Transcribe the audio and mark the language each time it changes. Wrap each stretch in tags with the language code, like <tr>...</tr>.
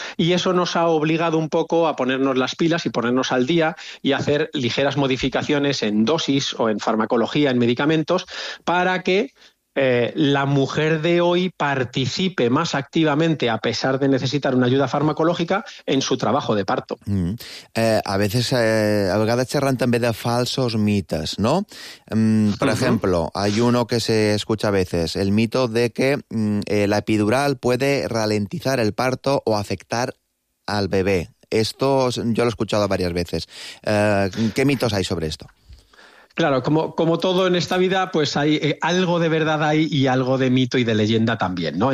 <es>Y eso nos ha obligado un poco a ponernos las pilas y ponernos al día y hacer ligeras modificaciones en dosis o en farmacología, en medicamentos, para que la mujer de hoy participe más activamente, a pesar de necesitar una ayuda farmacológica, en su trabajo de parto. Mm.</es> <ca>A vegades xerran també de falsos mites, ¿no?</ca> <es>Por ejemplo, hay uno que se escucha a veces, el mito de que la epidural puede ralentizar el parto o afectar al bebé. Esto yo lo he escuchado varias veces. ¿Qué mitos hay sobre esto? Claro, como todo en esta vida, pues hay algo de verdad ahí y algo de mito y de leyenda también, ¿no?</es>